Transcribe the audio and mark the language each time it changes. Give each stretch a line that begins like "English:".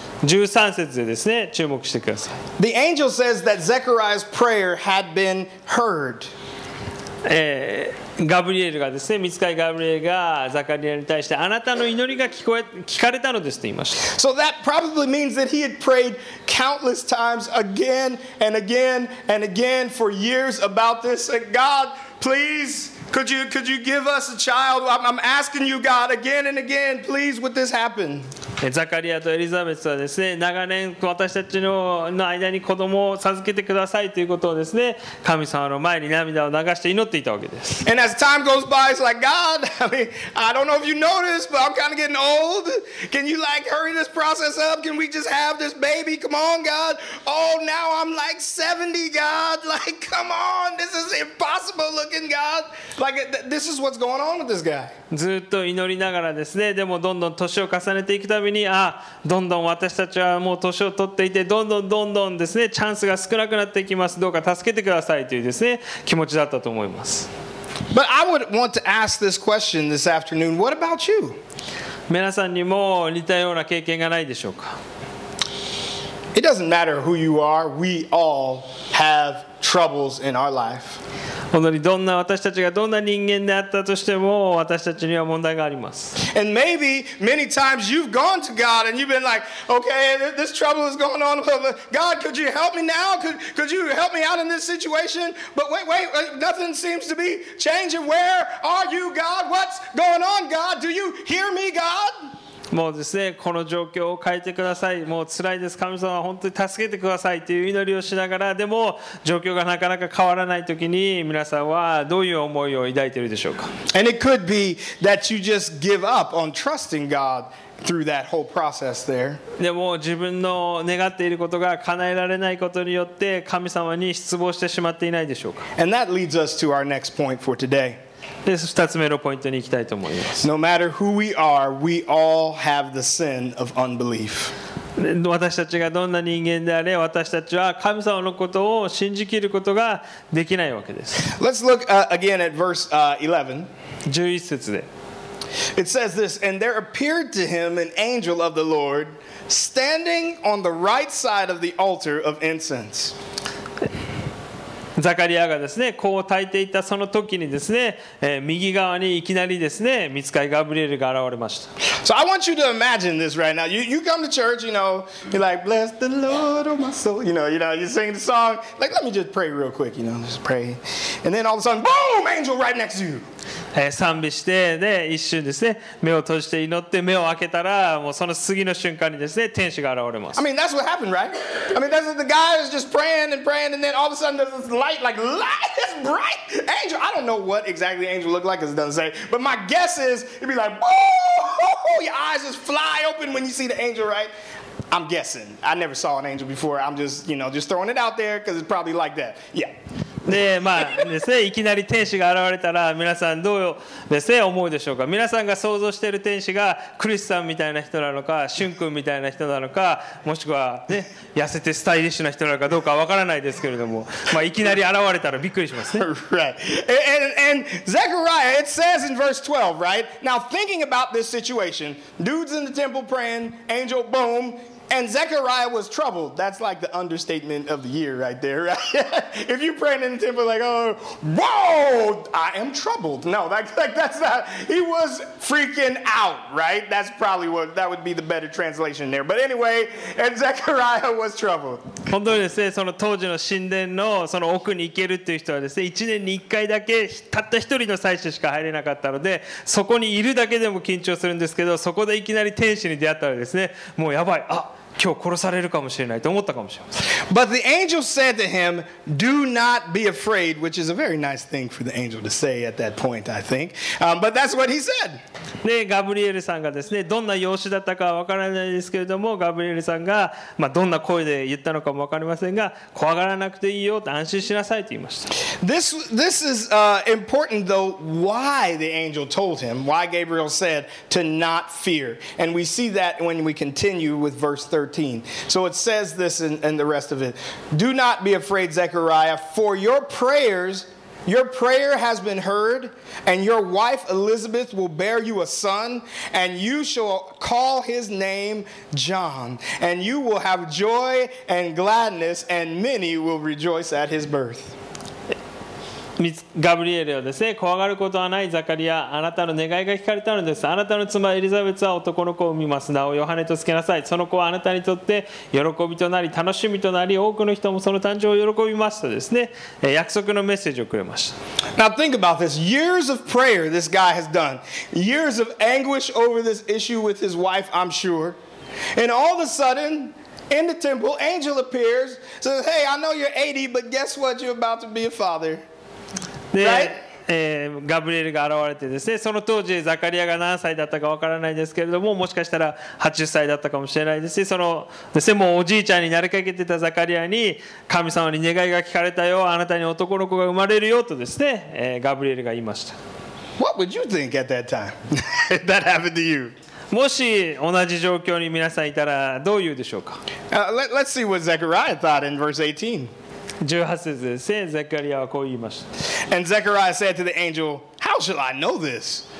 Japanese: 13節でですね、注目してください。
English: The angel says that Zechariah's prayer had been heard.
Japanese: ガブリエルがですね、ミツカイガブリエルがザカリアに対してあなたの祈りが聞かれたのですと言いました。
English: So that probably means that he had prayed countless times again and again and again for years about this. And God, please, could you give us a child? I'm asking you, God, again and again, please, would this happen?
Japanese: ザカリアとエリザベスはですね、長年私たち の間に子供を授けてくださいということをですね、神様の前に涙を流して祈っていたわけです。
English: And as time goes by, it's like, God, I mean, I don't know if you noticed, but I'm kind of getting old. Can you like hurry this process up? Can we just have this baby? Come on, God. Oh, now I'm like 70, God. Like, come on, this is impossible looking, God. Like, this is what's going on with this guy.
Japanese: ずっと祈りながらですね、でもどんどん年を重ねていくたびに、ああ、どんどん私たちはもう年を取っていて、どんどんどんどんですね、チャンスが少なくなっていきます。どうか助けてくださいというですね、気持ちだったと思います。
English: But I would want to ask this question this afternoon. What about you?
Japanese: 皆さんにも似たような経験がないでしょうか?
English: It doesn't matter who you are. We all have troubles in our life.
Japanese: 本当にどんな私たちがどんな人間であったとしても私たちには問題があります。
English: And maybe many times you've gone to God and you've been like, okay, this trouble is going on. God, could you help me now? Could you help me out in this situation? But wait, nothing seems to be changing. Where are you, God? What's going on, God? Do you hear me, God?
Japanese: もうですね、この状況を変えてください。もう辛いです。神様は本当に助けてくださいという祈りをしながら、でも状況がなかなか変わらないときに、皆さんはどういう思いを抱いているでしょうか。
English: And it could be that you just give up on trusting God through that whole process there.
Japanese: でも自分の願っていることが叶えられないことによって、神様に失望してしまっていないでしょうか。
English: And that leads us to our next point for today.
Japanese: で、2つ目のポイントに行きたいと思います。
English: No matter who we are, we all have the sin of unbelief.
Japanese: 私たちがどんな人間であれ、私たちは神様のことを信じきることができないわけです。
English: Let's look again at verse 11.
Japanese: 11節で。
English: It says this, and there appeared to him an angel of the Lord standing on the right side of the altar of incense.
Japanese: ザカリアがですね、こう焚いていたその時にですね、右側にいきなりですね、ミツカイガブリエルが現れました。
English: So I want you to imagine this right now. You come to church, you know, you're like, bless the Lord, oh my soul. You know, you sing the song. Like, let me just pray real quick, you know, just pray. And then all of a sudden, boom, angel right next to you.
Japanese: 賛美して、ね、一瞬ですね、目を閉じて祈って目を開けたら、もうその次の瞬間にですね、天使が現れます。
English: I mean, that's what happened, right? I mean, that's what the guy is just praying and praying, and then all of a sudden there's this light, like light, this bright angel. I don't know what exactly the angel looked like, as it doesn't say, but my guess is it'd be like, woo, your eyes just fly open when you see the angel, right? I'm guessing. I never saw an angel before. I'm just, you know, just throwing it out there because it's probably like that. Yeah.
Japanese: でまあですね、いきなり天使が現れたら皆さんどうです、ね、思うでしょうか。皆さんが想像している天使がクリスさんみたいな人なのか、シュン君みたいな人なのか、もしくは、ね、痩せてスタイリッシュな人なのかどうかわからないですけれども、まあ、いきなり現れたらびっくりしますね。
English: Right. And Zechariah, it says in verse 12, right? Now thinking about this situation, dudes in the temple praying, angel boom. And Zechariah was troubled. That's like the understatement of the year right there, right? If you're praying in the temple like, oh, whoa, I am troubled. No, like that's not, he was freaking out, right? That's probably what, that would be the better translation there. But anyway, and Zechariah was troubled.
Japanese: 本当にですね、その当時の神殿のその奥に行けるっていう人はですね、一年に一回だけたった一人の祭司しか入れなかったので、そこにいるだけでも緊張するんですけど、そこでいきなり天使に出会ったらですね、もうやばい、あ今日殺されるかもしれないと思ったかもしれません。
English: But the angel said to him, "Do not be afraid," which is a very nice thing for the angel to say at that point, I think. But that's what he said.
Japanese: で、ガブリエルさんがですね、どんな様子だったかわからないですけれども、ガブリエルさんが、まあ、どんな声で言ったのかもわかりませんが、怖がらなくていいよと安心しなさいと言いました。
English: This is important though. Why the angel told him? Why Gabriel said to not fear? And we see that when we continue with verse 13. So it says this in the rest of it. Do not be afraid, Zechariah, for your prayer has been heard, and your wife Elizabeth will bear you a son, and you shall call his name John, and you will have joy and gladness, and many will rejoice at his birth.
Japanese: ガブリエルはですね、怖がることはないザカリア、あなたの願いが聞かれたのです。あなたの妻エリザベツは男の子を産みます。名をヨハネとつけなさい。その子はあなたにとって喜びとなり、楽しみとなり、多くの人もその誕生を喜びますとですね、約束のメッセージをくれました。
English: Now think about this. Years of prayer this guy has done. Years of anguish over this issue with his wife, I'm sure. And all of a sudden... In the temple, angel appears, says, hey, I know you're 80, but guess what? You're about to be a father. Right?
Japanese: ガブリエルが現れてですね、その当時ザカリアが何歳だったかわからないですけれども、もしかしたら80歳だったかもしれないですし、そのですね、もうおじいちゃんになりかけてたザカリアに神様に願いが聞かれたよ、あなたに男の子が生まれるよとですね、ガブリエルが言いました。
English: What would you think at that time? that happened to you?
Japanese: もし同じ状況に皆さんいたらどう言うでしょうか。
English: Let's see what Zechariah thought in verse 18.
Japanese: 18節ですね、ゼカリアはこう言いました。
English: And Zechariah said to the angel, How shall I know this?